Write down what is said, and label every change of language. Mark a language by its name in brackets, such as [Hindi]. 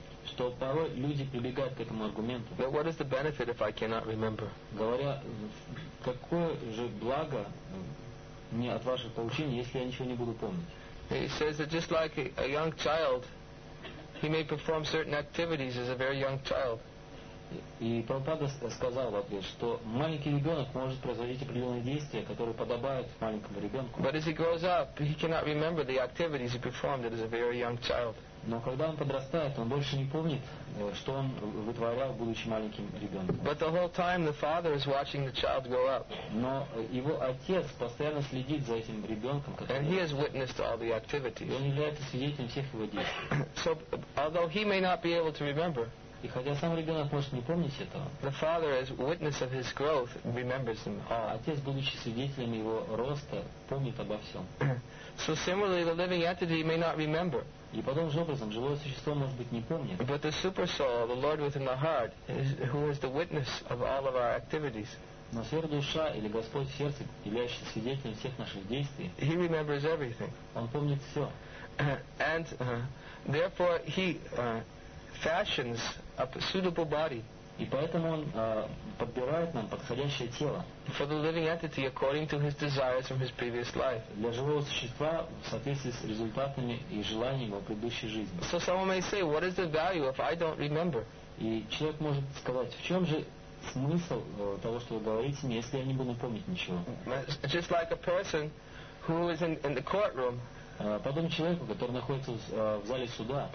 [Russian] Что порой люди прибегают к этому аргументу. [English] But what is the benefit if I cannot remember? [Russian] Говоря, какое же благо мне от ваших поучений, если я ничего не буду помнить? [English] He says that just like a young child, he may perform certain activities as a very young child. [Russian] И Прабхупада сказал в ответ, что маленький ребенок может производить определенные действия, которые подобают маленькому ребенку. [English] But as he grows up, he cannot remember the activities he performed as a very young child. [Russian] Но когда он подрастает, он больше не помнит, что он вытворял, будучи маленьким ребенком. [English] But the whole time the father is watching the child grow up. [Russian] Но его отец постоянно следит за этим ребенком, который. [English] And he has witnessed all the activities. [Russian] И он является свидетелем всех его действий. [English] So, although he may not be able to remember. [Russian] И хотя сам ребенок может не помнить этого, [English] the father, as witness of his growth, remembers them. [Russian] А отец, будучи свидетелем его роста, помнит обо всем. [English] So similarly, the living entity may not remember. [Russian] И потом же образом живое существо может быть не помнит. [English] But the super soul, the Lord within the heart, who is the witness of all of our activities. [Russian] Но сверхдуша или Господь в сердце, являющийся свидетелем всех наших действий, [English] he remembers everything. [Russian] Он помнит все. [English] And therefore he fashions a suitable body. [Russian] И поэтому он подбирает нам подходящее тело. [English] For the living entity, according to his desires from his previous life. [Russian] Для живого существа в соответствии с результатами и желаниями его предыдущей жизни. [English] So someone may say, what is the value if I don't remember? [Russian] И человек может сказать, в чем же смысл того, что вы говорите мне, если я не буду помнить ничего? [English] Just like a person who is in the courtroom. [Russian] Подобно человеку, который находится в зале суда,